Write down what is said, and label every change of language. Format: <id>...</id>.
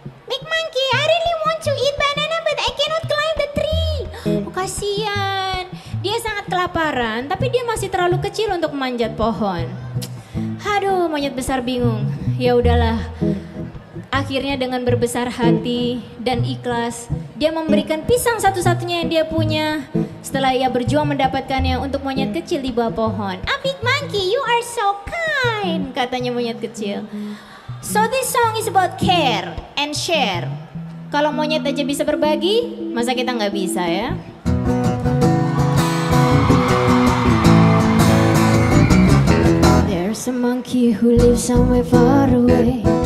<en>"Big monkey, I really want to eat banana but I cannot climb the tree."</en> <id>Oh, kasihan. Dia sangat kelaparan tapi dia masih terlalu kecil untuk memanjat pohon. Aduh, monyet besar bingung. Ya udahlah. Akhirnya dengan berbesar hati dan ikhlas, dia memberikan pisang satu-satunya yang dia punya setelah ia berjuang mendapatkannya untuk monyet kecil di bawah pohon.</id> <en>"A big monkey, you are so kind,"</en> <id>katanya monyet kecil.</id> <en>So this song is about care and share.</en> <id>Kalau monyet aja bisa berbagi, masa kita gak bisa ya?</id> <en>There's a monkey who lives somewhere far away.</en>